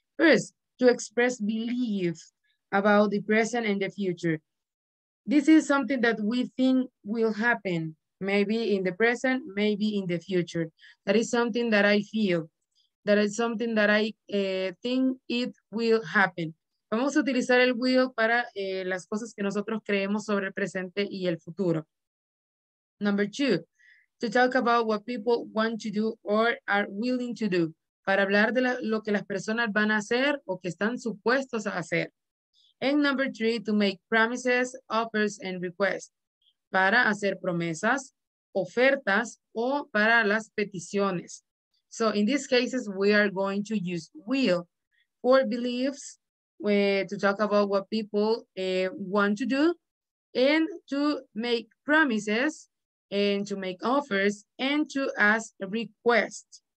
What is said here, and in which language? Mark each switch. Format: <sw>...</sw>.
<en>First, to express belief about the present and the future. This is something that we think will happen, maybe in the present, maybe in the future. That is something that I feel. That is something that I think it will happen.</en> <es>Vamos a utilizar el will para las cosas que nosotros creemos sobre el presente y el futuro.</es> <en>Number two, to talk about what people want to do or are willing to do.</en> <es>Para hablar de lo que las personas van a hacer o que están supuestos a hacer.</es> <en>And number three, to make promises, offers, and requests.</en> <es>Para hacer promesas, ofertas, o para las peticiones.</es> <en>So in these cases, we are going to use will for beliefs to talk about what people want to do and to make promises and to make offers and to ask requests.</en>